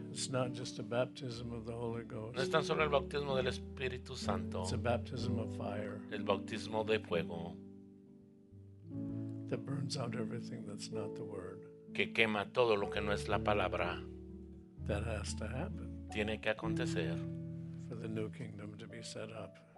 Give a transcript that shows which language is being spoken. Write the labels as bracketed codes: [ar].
[en] It's not just a baptism of the Holy Ghost. [es] No es tan solo el bautismo del Espíritu Santo. [en] It's a baptism of fire. [es] El bautismo de fuego. [en] That burns out everything that's not the word. [es] Que quema todo lo que no es la palabra. [en] That has to happen. [es] Tiene que acontecer. [en] For the new kingdom to be set up.